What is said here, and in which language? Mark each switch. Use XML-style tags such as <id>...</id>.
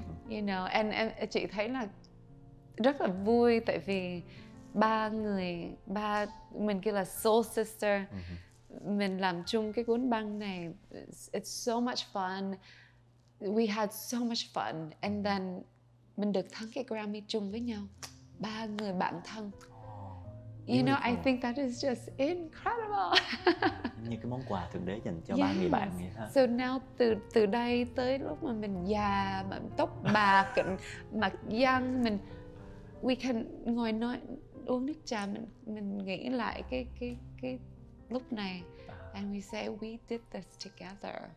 <en>You know,</en> <vi>and chị thấy là rất là vui tại vì ba mình kêu là</vi> <en>soul sister.</en> <vi>Mình làm chung cái cuốn băng này,</vi> <en>it's so much fun. We had so much fun and then</en> <vi>mình được thắng cái Grammy chung với nhau, ba người bạn thân. Oh,</vi> <en>you know, I think that is just incredible.</en> <vi>Như cái món quà thượng đế dành cho ba người bạn vậy ha.</vi> <en>So now</en> <vi>từ đây tới lúc mà mình già, mà tóc bạc, mặt young, mình</vi> <en>we can</en> <vi>ngồi nói uống nước trà, mình nghĩ lại cái lúc này</vi> <en>and we say we did this together.</en>